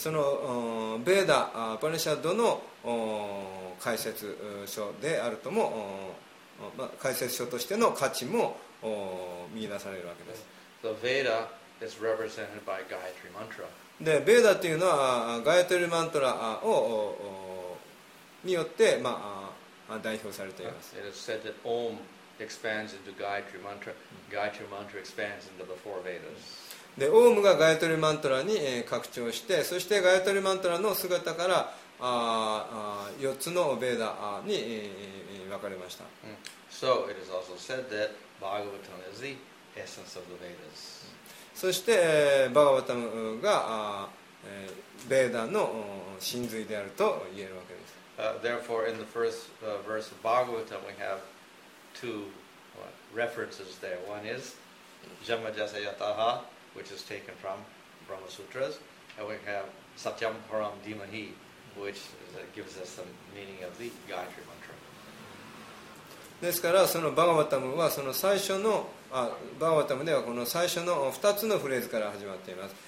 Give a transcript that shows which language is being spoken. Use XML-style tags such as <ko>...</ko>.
<ja>そのベーダー、パニシャッドの解説書であるとも、まあ、解説書としての価値も見出されるわけです。</ja> <en>So, Veda is represented by Gayatri Mantra.</en> <ja>で、ベーダーというのはガイアトリマントラをによって、まあ、代表されています。</ja> <en>It is said that Om expands into Gayatri Mantra. Gayatri Mantra expands into the four Vedas.</en> <ja>でオウムがガヤトリマントラに拡張して、そしてガヤトリマントラの姿から4つのベーダーに分かれました。</ja> <en>So it is also said that Bhagavatam is the essence of the Vedas.</en> <ja>そしてバガバタムがベーダーの真髄であると言えるわけです。</ja> <en>Therefore in the first verse of Bhagavatam we have two references there. One is Jamajasa Yataha,which is taken from Brahma Sutras, and we have Satyam Param Dimahi, which gives us the meaning of the Gayatri Mantra.</en> <ja>ですからそのバガバタムはその最初のバガバタムではこの最初の2つのフレーズから始まっています。</ja>